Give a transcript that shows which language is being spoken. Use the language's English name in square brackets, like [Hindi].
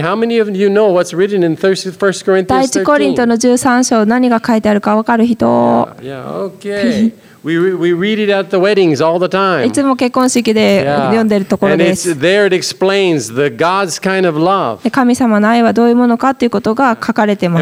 [English] How many of you know what's written in 1 Corinthians 13? [Japanese] 第一コリントの13章何が書いてあるか分かる人。 [English] Yeah. Okay. We read it at the weddings all the time. [Japanese] いつも結婚式で読んでるところです。 [English] And it's there it explains the God's kind of love. [Japanese] 神様の愛はどういうものかということが書かれてます。